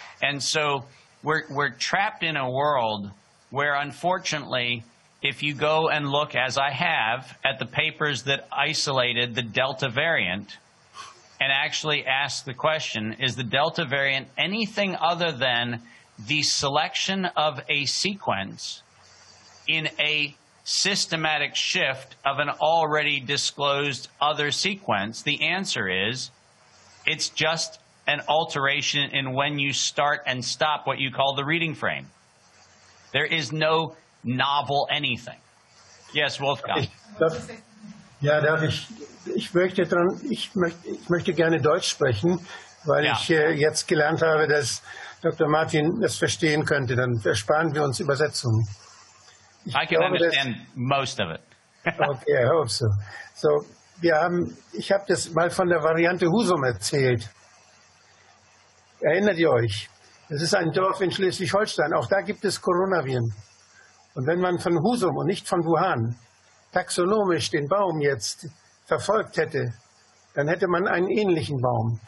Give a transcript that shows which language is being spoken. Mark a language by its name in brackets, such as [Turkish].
[English] And so we're trapped in a world where, unfortunately, if you go and look, as I have, at the papers that isolated the Delta variant and actually ask the question, is the Delta variant anything other than the selection of a sequence in a systematic shift of an already disclosed other sequence? The answer is it's just an alteration in when you start and stop what you call the reading frame. There is no novel anything. Yes, Wolfgang. [German] Ja, darf ich? Ich möchte gerne Deutsch sprechen, weil ja. Ich jetzt gelernt habe, dass Dr. Martin das verstehen könnte. Dann ersparen wir uns Übersetzungen. [English] I can understand most of it. Okay, I hope so. [German] So, ich habe das mal von der Variante Husum erzählt. Erinnert ihr euch? Das ist ein Dorf in Schleswig-Holstein. Auch da gibt es Coronaviren. Und wenn man von Husum und nicht von Wuhan taxonomisch den Baum jetzt verfolgt hätte, dann hätte man einen ähnlichen Baum.